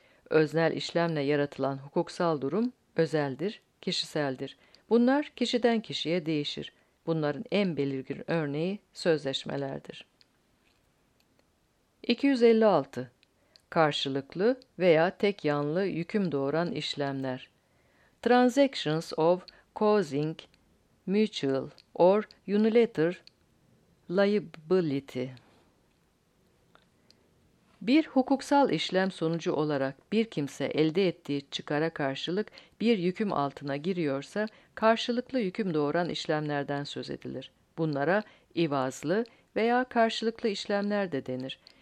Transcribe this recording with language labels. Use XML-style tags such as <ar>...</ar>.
<tr>Öznel işlemle yaratılan hukuksal durum özeldir, kişiseldir. Bunlar kişiden kişiye değişir. Bunların en belirgin örneği sözleşmelerdir. 256. Karşılıklı veya tek yanlı yüküm doğuran işlemler.</tr> <en>Transactions of causing mutual or unilateral liability.</en> <tr>Bir hukuksal işlem sonucu olarak bir kimse elde ettiği çıkara karşılık bir yüküm altına giriyorsa, karşılıklı yüküm doğuran işlemlerden söz edilir. Bunlara ivazlı veya karşılıklı işlemler de denir.</tr>